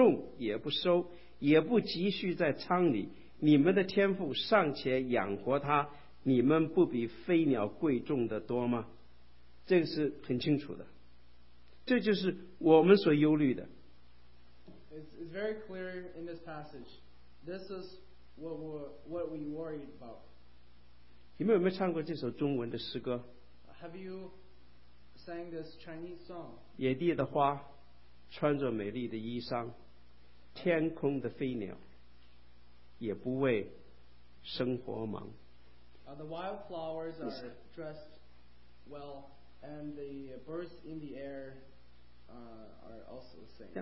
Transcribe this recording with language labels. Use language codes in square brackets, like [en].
[zh] 所以我告诉你们，不要为生命忧虑吃什么、喝什么，为身体忧虑穿什么。生命不胜于饮食吗？身体不胜于衣裳吗？你们看那天上的飞鸟，也不种，也不收，也不积蓄在仓里。你们的天父尚且养活他，你们不比飞鸟贵重的多吗？这个是很清楚的，这就是我们所忧虑的。 [en] It's very clear in this passage. This is what we worried about. [zh] 你们有没有唱过这首中文的诗歌？ [en] Have you sang this Chinese song? [zh] 野地的花穿着美丽的衣裳，天空的飞鸟也不为。 [en] The wild flowers are dressed well, and the birds in the air are also the same.